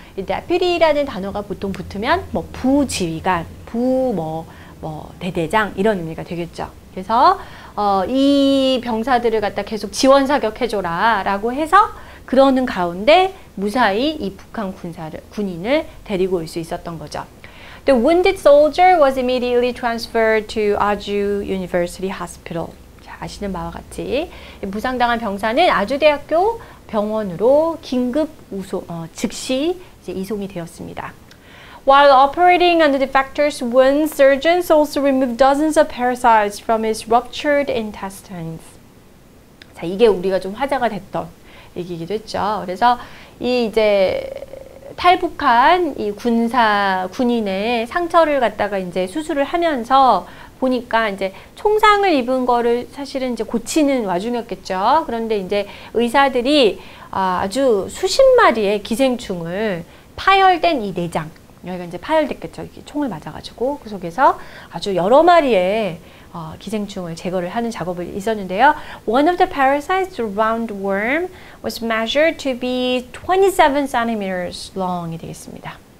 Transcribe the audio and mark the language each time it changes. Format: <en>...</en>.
<ko>이 Deputy라는 단어가 보통 붙으면 뭐 부지휘관, 뭐 대대장 이런 의미가 되겠죠. 그래서 이 병사들을 갖다 계속 지원 사격 해줘라라고 해서 그러는 가운데 무사히 이 북한 군인을 데리고 올 수 있었던 거죠.</ko> <en>The wounded soldier was immediately transferred to Aju University Hospital.</en> <ko>자, 아시는 바와 같이 부상당한 병사는 아주 대학교 병원으로 긴급 즉시 이제 이송이 되었습니다.</ko> <en>While operating on the defector's wound, surgeons also removed dozens of parasites from his ruptured intestines.</en> <ko>자, 이게 우리가 좀 화제가 됐던 얘기이기도 했죠. 그래서 이 이제 탈북한 이 군인의 상처를 갖다가 이제 수술을 하면서 보니까 이제 총상을 입은 거를 사실은 이제 고치는 와중이었겠죠. 그런데 이제 의사들이 아주 수십 마리의 기생충을 파열된 이 내장, 여기가 이제 파열됐겠죠. 이렇게 총을 맞아가지고 그 속에서 아주 여러 마리의 기생충을 제거를 하는 작업이 있었는데요.</ko> <en>One of the parasites, the roundworm, was measured to be 27 centimeters long</en> <ko>이 되겠습니다.</ko>